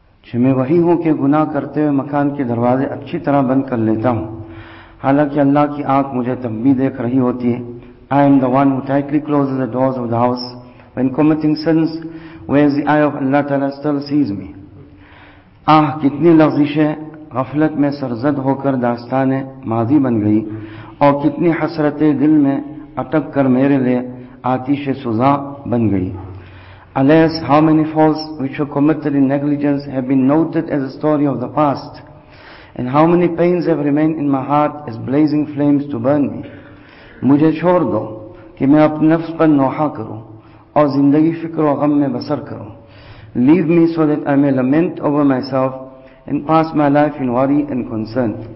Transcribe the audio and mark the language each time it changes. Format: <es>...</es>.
<ur>کہ میں وہی ہوں کہ گناہ کرتے ہوئے مکان کے دروازے اچھی طرح بند کر لیتا ہوں حالانکہ اللہ کی آنکھ مجھے تب بھی دیکھ رہی ہوتی ہے.</ur> <en>I am the one who tightly closes the doors of the house when committing sins, whereas the eye of Allah Ta'ala still sees me.</en> <ur>آہ کتنی لغزش ہے. غفلت میں سرزد ہو کر داستان ماضی بن گئی اور کتنی حسرت دل میں اٹک کر میرے لئے آتش سزا بن گئی.</ur> <en>Alas, how many faults which were committed in negligence have been noted as a story of the past, and how many pains have remained in my heart as blazing flames to burn me.</en> <ur>مجھے چھوڑ دو کہ میں اپنے نفس پر نوحہ کروں اور زندگی فکر و غم میں بسر کروں.</ur> <en>Leave me so that I may lament over myself and pass my life in worry and concern.</en>